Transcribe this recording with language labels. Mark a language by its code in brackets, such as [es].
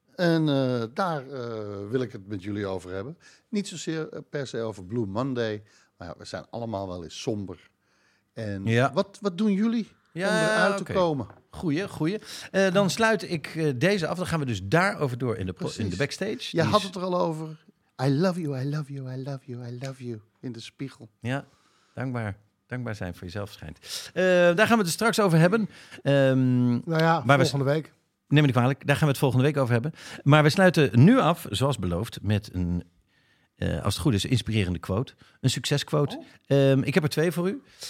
[nl] En daar wil ik het met jullie over hebben. Niet zozeer per se over Blue Monday. Maar ja, we zijn allemaal wel eens somber. En ja, wat doen jullie, ja, om eruit, okay, te komen? Goeie. Dan sluit ik deze af. Dan gaan we dus daarover door in de backstage. Je had het er al over. [en] I love you, I love you, I love you, I love you. [nl] In de spiegel. Ja, dankbaar. Dankbaar zijn voor jezelf schijnt. Daar gaan we het er straks over hebben. Volgende week. Neem me niet kwalijk, daar gaan we het volgende week over hebben. Maar we sluiten nu af, zoals beloofd, met een, als het goed is, inspirerende quote. Een succesquote. Ik heb er twee voor u.